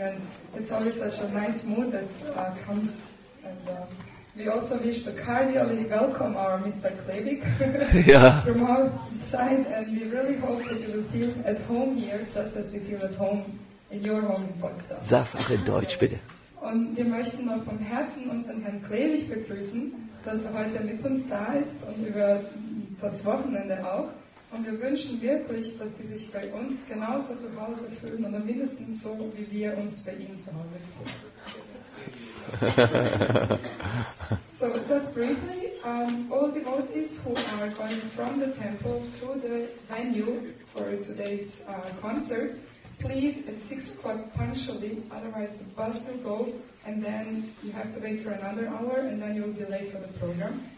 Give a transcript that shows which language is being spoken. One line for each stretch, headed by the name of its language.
English: And it's always such a nice mood that comes. And we also wish to cordially welcome our Mr. Klevik from our side, and we really hope that you will feel at home here, just as we feel at home in your home in Potsdam.
German: Sag's auch in Deutsch, bitte. Und wir möchten noch vom Herzen unseren Herrn Klevik begrüßen, dass er heute mit uns da ist und über das Wochenende auch. Und wir wünschen wirklich, dass sie sich bei uns genauso zu Hause fühlen oder mindestens so, wie wir uns bei ihnen zu Hause fühlen.
English: So just briefly, all devotees who are going from the temple to the venue for today's concert, please at 6 o'clock punctually, otherwise the bus will go and then you have to wait for another hour and then you will be late for the program.